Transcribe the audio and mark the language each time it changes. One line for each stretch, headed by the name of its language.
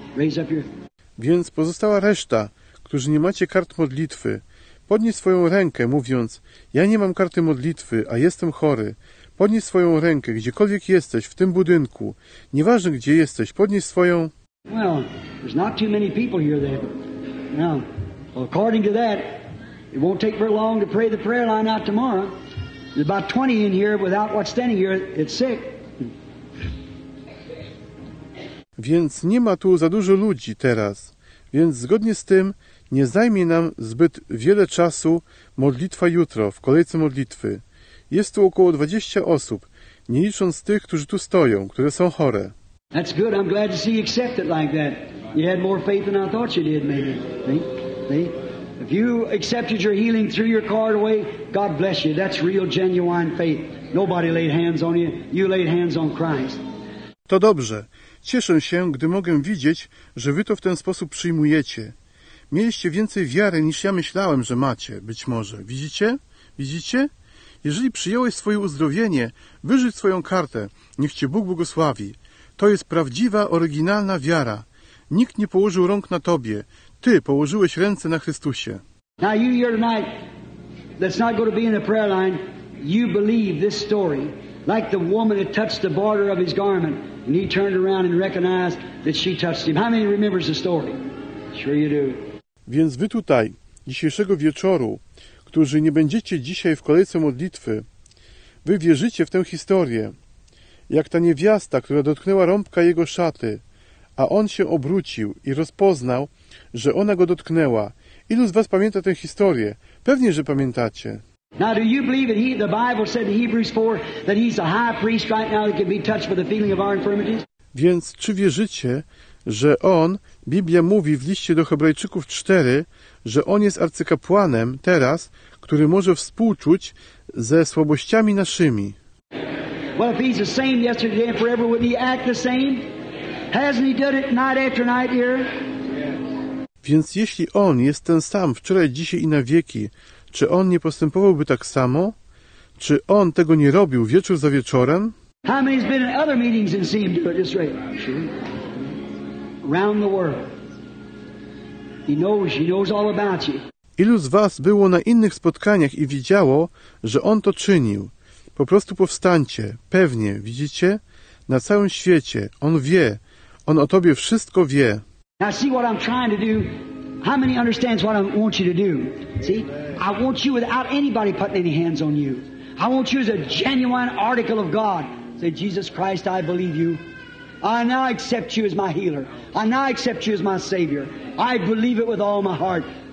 English: Raise up your.
Polish: Więc pozostała reszta, którzy nie macie kart modlitwy, podnieś swoją rękę, mówiąc, ja nie mam karty modlitwy, a jestem chory. Podnieś swoją rękę, gdziekolwiek jesteś, w tym budynku. Nieważne, gdzie jesteś, podnieś swoją.
English: Well, there's not too many people here then. Now, according to that, it won't take very long to pray the prayer line out tomorrow. There's about 20 in here without what's standing here. It's sick.
Polish: Więc nie ma tu za dużo ludzi teraz. Więc zgodnie z tym nie zajmie nam zbyt wiele czasu modlitwa jutro w kolejce modlitwy. Jest tu około 20 osób, nie licząc tych, którzy tu stoją, które są chore.
English: That's good. I'm glad to see you accept it like that. You had more faith than I thought you did, maybe. See? If you accepted your healing, threw your card away, God bless you. That's real, genuine faith. Nobody laid hands on you. You laid hands on Christ.
Polish: To dobrze. Cieszę się, gdy mogę widzieć, że wy to w ten sposób przyjmujecie. Mieliście więcej wiary, niż ja myślałem, że macie, być może. Widzicie? Widzicie? Jeżeli przyjąłeś swoje uzdrowienie, wyrzuć swoją kartę. Niech cię Bóg błogosławi. To jest prawdziwa, oryginalna wiara. Nikt nie położył rąk na tobie. Ty położyłeś ręce na Chrystusie.
English: Now you here tonight, that's not going to be in the prayer line, you believe this story. Like the woman that touched the border of his garment, and he turned around and recognized that she touched him. How many remembers the story? Sure you do.
Polish: Więc wy tutaj, dzisiejszego wieczoru, którzy nie będziecie dzisiaj w kolejce modlitwy, wy wierzycie w tę historię, jak ta niewiasta, która dotknęła rąbka jego szaty, a on się obrócił i rozpoznał, że ona go dotknęła. Ilu z was pamięta tę historię? Pewnie, że pamiętacie.
English: Now, do you believe that the Bible said in Hebrews 4 that he's a high priest right now that can be touched with the feeling of our infirmities?
Polish: Więc czy wierzycie, że on, Biblia mówi w liście do Hebrajczyków 4, że on jest arcykapłanem teraz, który może współczuć ze słabościami naszymi?
English: Well, if he's the same yesterday and forever, wouldn't he act the same? Hasn't he done it night after night here?
Polish: Więc jeśli on jest ten sam wczoraj, dzisiaj i na wieki, czy on nie postępowałby tak samo? Czy on tego nie robił wieczór za wieczorem?
English: How many's been in other meetings and seen him do it this way? Around the world. He knows all about you.
Polish: Ilu z was było na innych spotkaniach i widziało, że on to czynił? Po prostu powstańcie, pewnie, widzicie? Na całym świecie, on wie, on o tobie wszystko wie.
English: Now see what I'm trying to do. How many understands what I want you to do? See? I want you without anybody putting any hands on you. I want you as a genuine article of God. Say, Jesus Christ, I believe you. I now accept you as my healer. I now accept you as my savior. I believe it with all my heart.